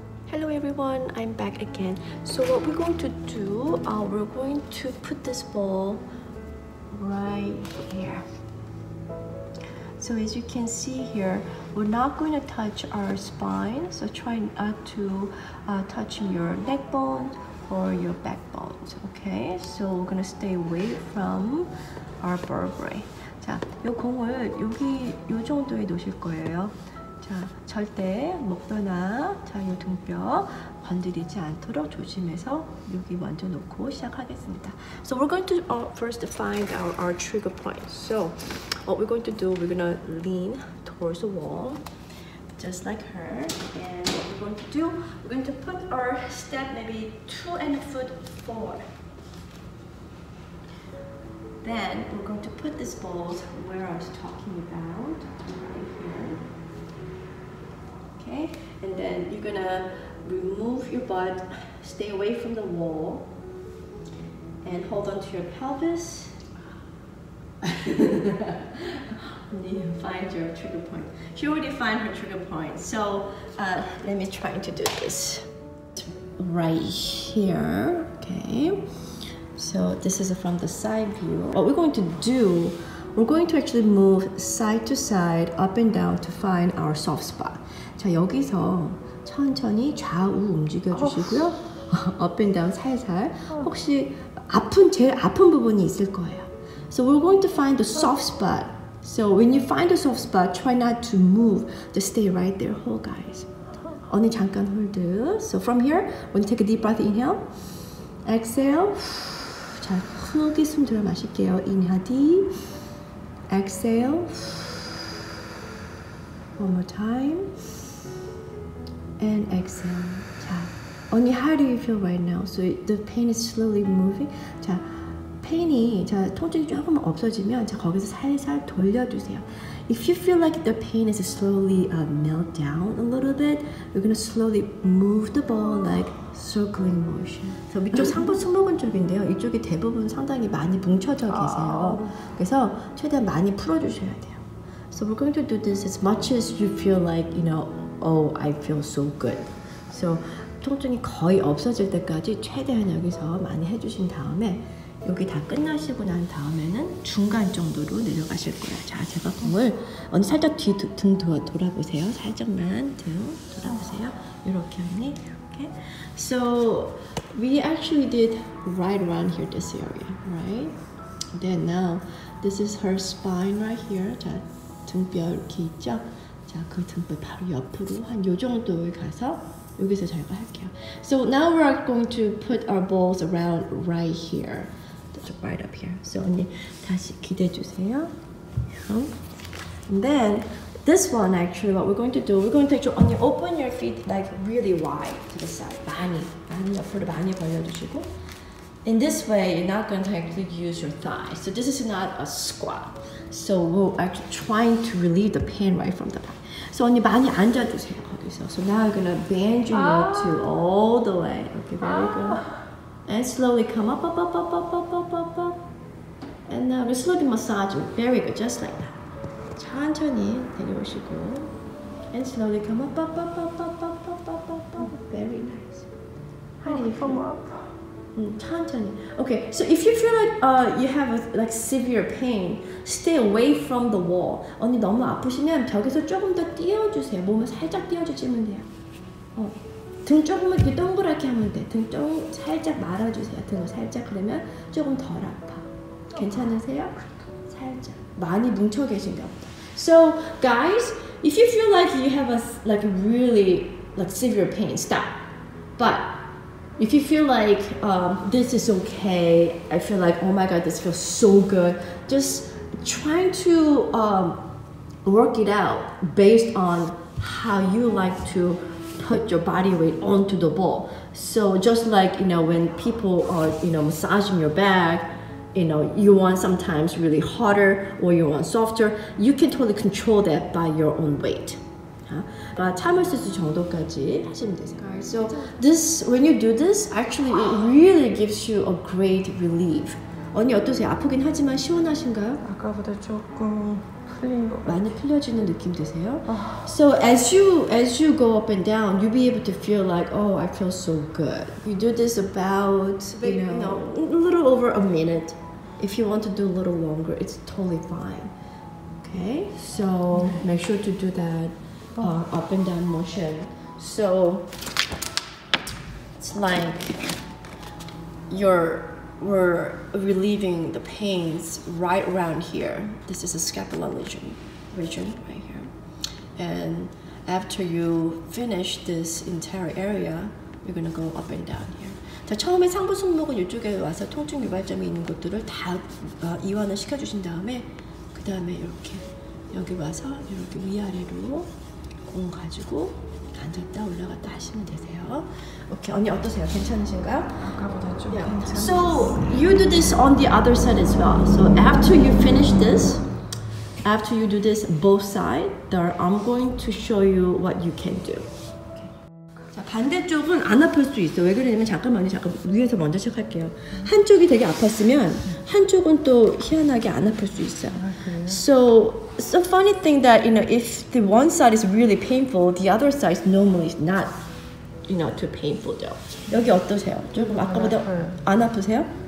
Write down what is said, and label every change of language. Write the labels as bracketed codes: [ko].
[en] Hello everyone, I'm back again. So what we're going to do, we're going to put this ball right here. So as you can see here, we're not going to touch our spine, so try not to touch your neck bone or your back bones, okay? So we're going to stay away from our vertebrae. [ko] 자, 요 공을 여기 요 정도에 놓으실 거예요. 자, 절대 목뼈나 자, 요 등뼈 건드리지 않도록 조심해서 여기 먼저 놓고 시작하겠습니다. [en] So we're going to first find our trigger point. So what we're going to do, we're going to lean towards the wall, just like her. And what we're going to do, we're going to put our step maybe 2 and a foot 4. Then we're going to put this ball where I was talking about, right here. Okay, and then you're going to remove your butt, stay away from the wall, and hold on to your pelvis. You find your trigger point. She already found her trigger point. So let me try to do this right here. Okay. So this is from the side view. What we're going to do, we're going to actually move side to side, up and down to find our soft spot. [ko] 자, 여기서 천천히 좌우 움직여 주시고요. [en] up and down [ko] 살살. 혹시 아픈, 제일 아픈 부분이 있을 거예요. [en] So we're going to find the soft spot. So when you find the soft spot, try not to move. Just stay right there, hold guys. [ko] 언니 잠깐 홀드. [en] So from here, when you take a deep breath, inhale. Exhale. [ko] 자, 크게 숨 들어 마실게요. [en] Inhale deep. Exhale. One more time. And exhale. [ko] 자, 언니, [en] how do you feel right now? So the pain is slowly moving. [ko] 자, 페인이 자 통증이 조금 없어지면 자 거기서 살살 돌려주세요. [en] If you feel like the pain is slowly melt down a little bit, you're gonna slowly move the ball like circling motion. [ko] 저 위쪽 상부 승모근 쪽인데요. 이쪽이 대부분 상당히 많이 뭉쳐져 계세요. 그래서 최대한 많이 풀어주셔야 돼요. [en] So we're going to do this as much as you feel like, you know, oh, I feel so good. [ko] So 통증이 거의 없어질 때까지 최대한 여기서 많이 해주신 다음에 여기 다 끝나시고 난 다음에는 중간 정도로 내려가실 거예요. 자, 제가 공을 언니 살짝 뒤 등 돌아보세요. 살짝만 등 돌아보세요. 이렇게 언니 이렇게. [en] So we actually did right around here, this area, right? Then now this is her spine right here. [ko] 자, 등뼈 이렇게 있죠? 자, 그 등뼈 바로 옆으로 한 요 정도에 가서 여기서 저희가 할게요. [en] So now we're going to put our balls around right here. Right up here. [ko] So 언니 다시 기대해 주세요. [en] And then this one actually what we're going to do, we're going to take your, 언니 open your feet like really wide to the side. [ko] 많이 옆으로 많이 벌려주시고 [en] In this way, you're not going to actually use your thigh. So this is not a squat. So we're actually trying to relieve the pain right from the back. [ko] So 언니 많이 앉아주세요 거기서. [en] So now I'm gonna bend your knee to all the way. Okay, very good. And slowly come up, up, up, up, up, up, up, up, up. And now we're slowly massaging. Very good, just like that. [ko] 천천히 내려오시고. [en] And slowly come up, up, up, up, up, up, up, up, up. Very nice. How do you feel? Come up. Tantani. Okay, so if you feel like you have a, like severe pain, stay away from the wall. [ko] 언니 너무 아프시면 벽에서 조금 더 띄워주세요. 몸을 살짝 띄워주시면 돼요. 어, 등 조금만 이렇게 동그랗게 하면 돼. 등 좀 살짝 말아주세요. 등을 살짝 그러면 조금 덜 아파. 괜찮으세요? 살짝. 많이 뭉쳐 계신가 보다. [en] So guys, if you feel like you have a like really like severe pain, stop. But if you feel like this is okay, I feel like, oh my god, this feels so good. Just trying to work it out based on how you like to put your body weight onto the ball. So just like, you know, when people are, you know, massaging your back, you know, you want sometimes really harder or you want softer, you can totally control that by your own weight. So this, when you do this, actually it really gives you a great relief. [ko] 언니 어떠세요? 아프긴 하지만 시원하신가요? 아까보다 조금 풀린 것 같아요. 많이 풀려지는 느낌 드세요? [en] So as you go up and down, you'll be able to feel like, oh, I feel so good. You do this about, you know, a little over a minute. If you want to do a little longer, it's totally fine. Okay, so make sure to do that. Up and down motion. So it's like we're relieving the pains right around here. This is a scapula region right here. And after you finish this entire area, you're gonna go up and down here. [ko] 자, 처음에 상부 손목은 이쪽에 와서 통증 유발점이 있는 곳들을 다 이완을 시켜주신 다음에 그 다음에 이렇게 여기 와서 이렇게 위아래로 공 가지고 앉았다 올라갔다 하시면 되세요. 오케이, 언니 어떠세요? 괜찮으신가요? 아까보다 좀 yeah. 괜찮으세요. [en] So you do this on the other side as well. So after you finish this, after you do this both sides, there I'm going to show you what you can do. Okay. [ko] 자, 반대쪽은 안 아플 수 있어. 왜 그러냐면 잠깐만요. 잠깐 위에서 먼저 시작할게요. 한쪽이 되게 아팠으면 한쪽은 또 희한하게 안 아플 수 있어요. [en] So it's a funny thing that, you know, if the one side is really painful, the other side is normally not, you know, too painful though. [ko] 여기 어떠세요? 조금 아까보다 안 아프세요?